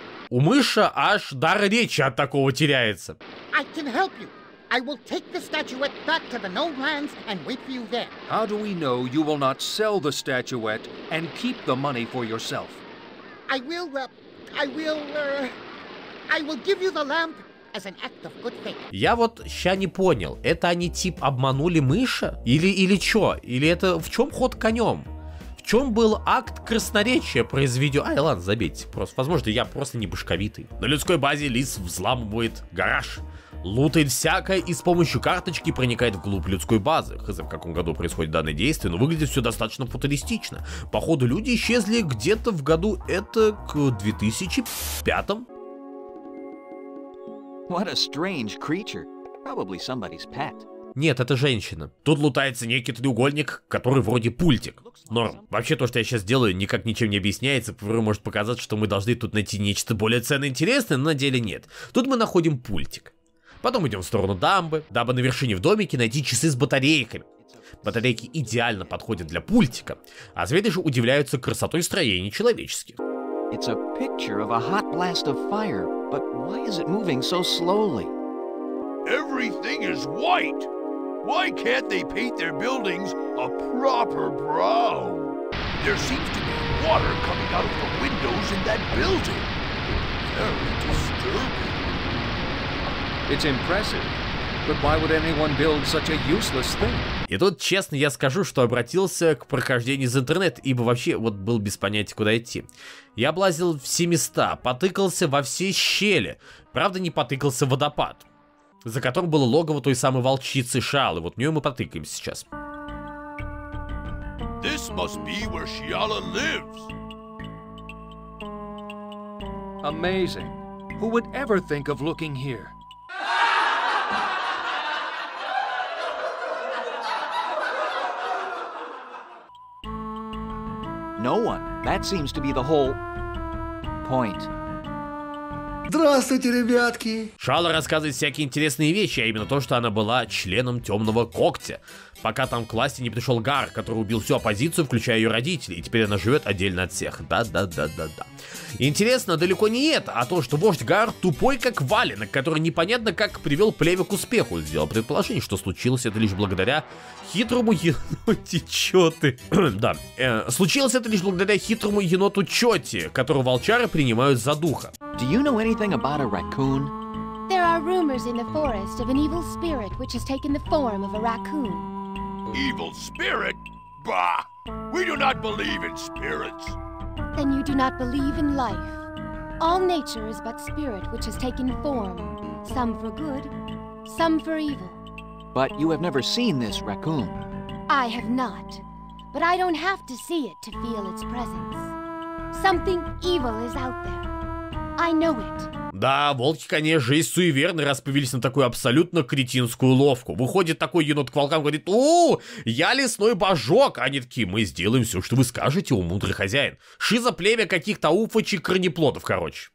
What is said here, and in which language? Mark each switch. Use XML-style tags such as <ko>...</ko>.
<ru>У мыша аж дар речи от такого теряется.</ru> <en>I can help you. I will take the statuette back to the Gnome Lands and wait for you there. How do we know you will not sell the statuette and keep the money for yourself? I will give you the lamp as an act of good faith.</en> <ru>Я вот ща не понял, это они типа обманули мыша? Или чё? Или это в чём ход конём? В чём был акт красноречия произведён? Ай, ладно, забейте, просто, возможно, я просто не башковитый. На людской базе лис взламывает гараж. Лутает всякое и с помощью карточки проникает вглубь людской базы. Хз, в каком году происходит данное действие, но выглядит все достаточно футуристично. Походу, люди исчезли где-то в году, это, к 2005-м.</ru> <en>What a strange creature. Probably somebody's pet.</en> <ru>Нет, это женщина. Тут лутается некий треугольник, который вроде пультик. Норм. Вообще, то, что я сейчас делаю, никак ничем не объясняется. Порой может показаться, что мы должны тут найти нечто более ценное и интересное, но на деле нет. Тут мы находим пультик. Потом идем в сторону дамбы, дабы на вершине в домике найти часы с батарейками. Батарейки идеально подходят для пультика. А звери же удивляются красотой строений человеческих.</ru> <en>It's a picture of a hot blast of fire. But why is it moving so slowly? Everything is white. Why can't they paint their buildings a proper brown? There seems to be water coming out of the windows in that building. Very disturbing. It's impressive. But why would anyone build such a useless thing?</en> <ru>И тут, честно, я скажу, что обратился к прохождению из интернета, ибо вообще вот был без понятия, куда идти. Я облазил все места, потыкался во все щели. Правда, не потыкался в водопад, за которым было логово той самой волчицы Шаалы. Вот в нее мы потыкаемся сейчас.</ru> <en>This must be where Шаала lives. Amazing. Who would ever think of looking here? No one. That seems to be the whole point.</en> <ru>Здравствуйте, ребятки! Шала рассказывает всякие интересные вещи, а именно то, что она была членом Темного Когтя. Пока там к власти не пришел Гар, который убил всю оппозицию, включая ее родителей, и теперь она живет отдельно от всех. Да-да-да-да-да. Интересно далеко не это, а то, что вождь Гар тупой как валенок, который непонятно как привел племя к успеху. Сделал предположение, что случилось это лишь благодаря хитрому еноту Чоти. Да. Случилось это лишь благодаря хитрому еноту Чоти, которого волчары принимают за духа.</ru> <en>Do you know anything about a raccoon? There are rumors in the forest of an evil spirit which has taken the form of a raccoon. Evil spirit? Bah! We do not believe in spirits. Then you do not believe in life. All nature is but spirit which has taken form. Some for good, some for evil. But you have never seen this raccoon. I have not. But I don't have to see it to feel its presence. Something evil is out there. I know it.</en> <ru>Да, волки, конечно, и суеверны, раз появились на такую абсолютно кретинскую ловку. Выходит такой енот к волкам и говорит: «О, я лесной божок!» Они такие: «Мы сделаем все, что вы скажете, о мудрый хозяин». Шиза племя каких-то уфочек корнеплодов, короче.</ru>